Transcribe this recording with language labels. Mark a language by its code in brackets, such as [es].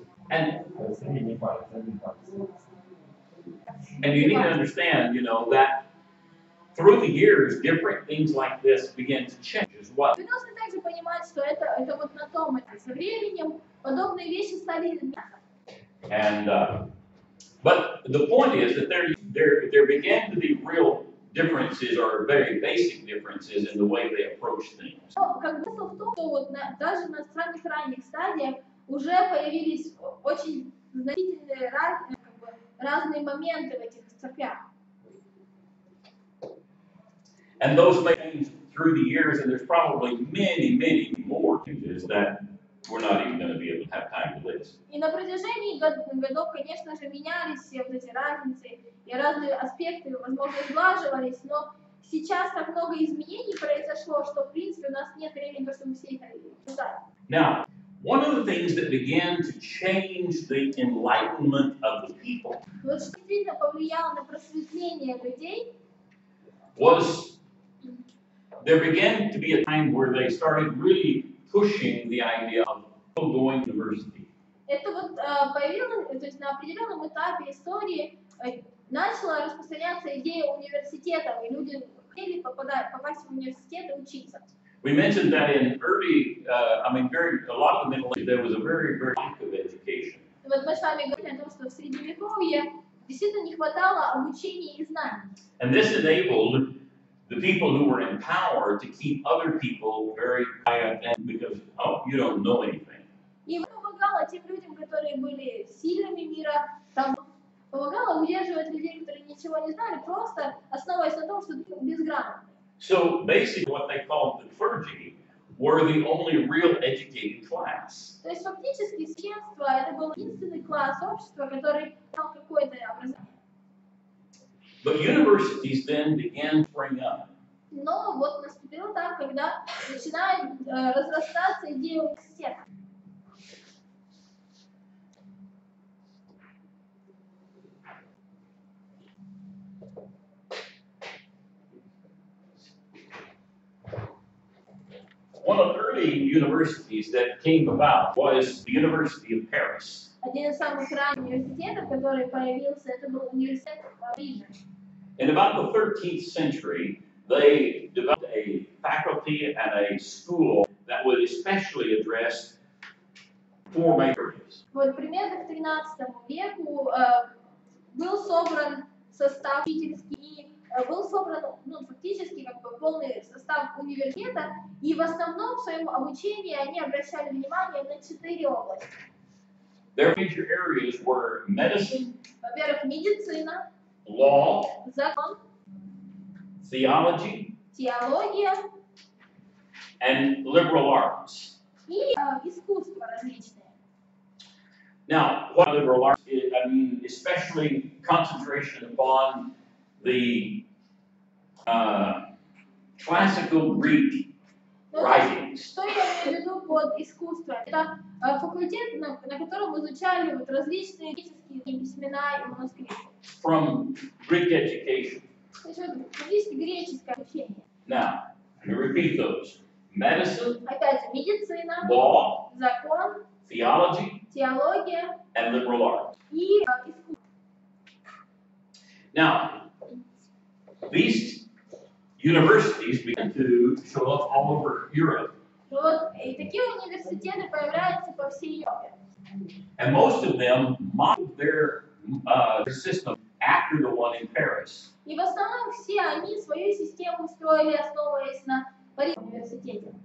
[en] And you need to understand, you know, that through the years, different things like this begin to change as well. [ru] Вы должны также понимать, что это вот на том, это со временем подобные вещи стали меняться. [en] And but the point is that there began to be real differences or very basic differences in the way they approach things. [ru] Как бы в том, что вот даже на самых ранних стадиях уже появились очень значительные разные моменты в этих церквях. [en] And those changed through the years, and there's probably many, many more changes that we're not even going to be able to have time to list. [ru] И на протяжении годов, конечно же, менялись все вот эти разницы и разные аспекты, возможно, сглаживались, но сейчас так много изменений произошло, что, в принципе, у нас нет времени, чтобы все это читать. [en] Now, one of the things that began to change the enlightenment of the people. [ru] Вот что действительно повлияло на просветление людей. [en] Was there began to be a time where they started really pushing the idea of people going to university. [ru] Это вот появилось, то есть на определенном этапе истории начала распространяться идея университета, и люди хотели попасть в университет и учиться. [en] We mentioned that in early, very a lot of the Middle Ages there was a very very lack of education. [ru] Вот мы с вами говорили о том, что в средневековье действительно не хватало обучения и знаний. [en] And this enabled the people who were in power to keep other people very quiet and because, oh, you don't know anything. [ru] И помогало тем людям, которые были сильными мира, там помогало удерживать людей, которые ничего не знали, просто основываясь на том, что безграмотные. [en] So basically what they called the clergy were the only real educated class. [ru] То есть фактически священство это был единственный класс общества, который имел какое-то образование. [en] But universities then began to spring up. [ru] Но вот наступило так, когда начинает разрастаться идея университета. [en] One of the early universities that came about was the University of Paris. [ru] Один из самых ранних университетов, который появился, это был университет в Париже. [en] In about the 13th century, they developed a faculty and a school that would especially address four majors. [ru] Вот примерно к 13 веку был собран состав учительский, был собран, ну, фактически как бы полный состав университета, и в основном в своем обучении они обращали внимание на четыре области. [en] Their major areas were medicine. [ru] Во-первых, медицина. [en] Law. [ru] Закон. [en] Theology. [ru] Теология. [en] And liberal arts. [ru] И искусство различные. [en] Now, what liberal arts is, I mean, especially concentration upon the classical Greek writings. [ru] Что я имею в виду под искусство? Это факультет, на котором изучали вот различные греческие письмена и манускрипты. [en] From Greek education. [ru] Греческое обучение. [en] Now, let me repeat those. Medicine. [ru] Опять же, медицина. [en] Law. [ru] Закон. [en] Theology. [ru] Теология. [en] And liberal arts. [ru] И искусство. [en] Now, these universities began to show up all over Europe. [ru] Вот и такие университеты появляются по всей Европе. [en] And most of them modeled their system after the one in Paris. [ru] И в основном все они свою систему строили, основываясь на Парижском университете.